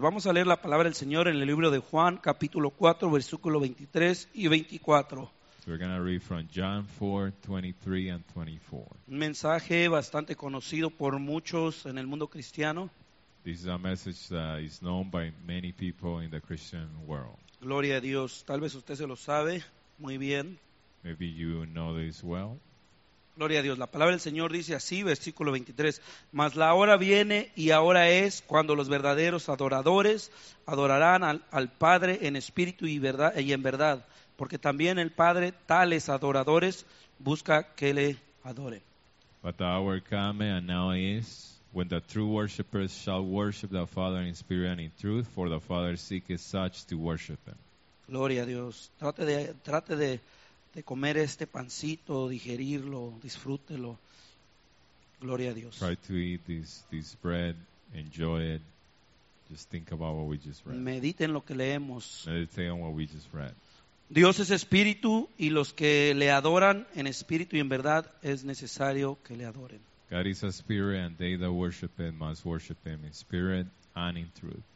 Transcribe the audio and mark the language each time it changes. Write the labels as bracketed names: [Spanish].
[Spanish] Vamos a leer la palabra del Señor en el libro de Juan, capítulo 4, versículo 23 y 24. [English] So we're going to read from John 4, 23 and 24. [Spanish] Un mensaje bastante conocido por muchos en el mundo cristiano. [English] This is a message that is known by many people in the Christian world. [Spanish] Gloria a Dios. Tal vez usted se lo sabe muy bien. [English] Maybe you know this well. [Spanish] Gloria a Dios. La palabra del Señor dice así, versículo 23. Mas la hora viene y ahora es cuando los verdaderos adoradores adorarán al Padre en espíritu y en verdad. Porque también el Padre, tales adoradores, busca que le adoren. [English] But the hour come and now is when the true worshipers shall worship the Father in spirit and in truth, for the Father seeketh such to worship him. [Spanish] Gloria a Dios. Trate de comer este pancito, digerirlo, disfrútelo. Gloria a Dios. [English] Try to eat this bread, enjoy it. Just think about what we just read. [Spanish] Mediten lo que leemos. [English] Meditate on what we just read. [Spanish] Dios es espíritu y los que le adoran en espíritu y en verdad es necesario que le adoren. [English] God is a spirit and they that worship him must worship him in spirit and in truth.